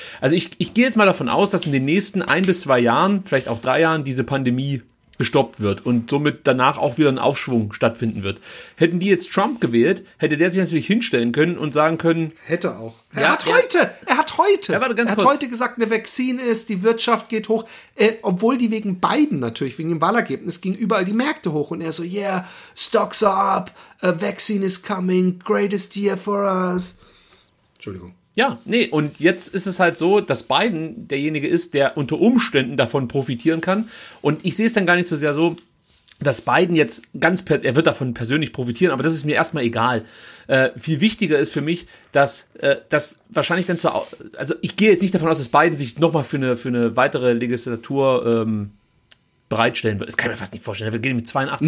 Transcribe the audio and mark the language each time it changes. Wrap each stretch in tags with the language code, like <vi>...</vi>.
<de>Also ich gehe jetzt mal davon aus, dass in den nächsten 1 bis 2 Jahren, vielleicht auch 3 Jahren, diese Pandemie gestoppt wird und somit danach auch wieder ein Aufschwung stattfinden wird. Hätten die jetzt Trump gewählt, hätte der sich natürlich hinstellen können und sagen können... Hätte auch. Er hat heute gesagt, eine Vaccine ist, die Wirtschaft geht hoch. Obwohl die wegen Biden natürlich, wegen dem Wahlergebnis, gingen überall die Märkte hoch. Und er so,</de> <en>yeah, stocks are up, a vaccine is coming, greatest year for us.</en> <de>Entschuldigung. Ja, nee, und jetzt ist es halt so, dass Biden derjenige ist, der unter Umständen davon profitieren kann. Und ich sehe es dann gar nicht so sehr so, dass Biden jetzt ganz, er wird davon persönlich profitieren, aber das ist mir erstmal egal. Viel wichtiger ist für mich, dass das wahrscheinlich dann zur, also ich gehe jetzt nicht davon aus, dass Biden sich nochmal für eine weitere Legislatur bereitstellen wird. Das kann ich mir fast nicht vorstellen. Wir gehen mit 82.</de>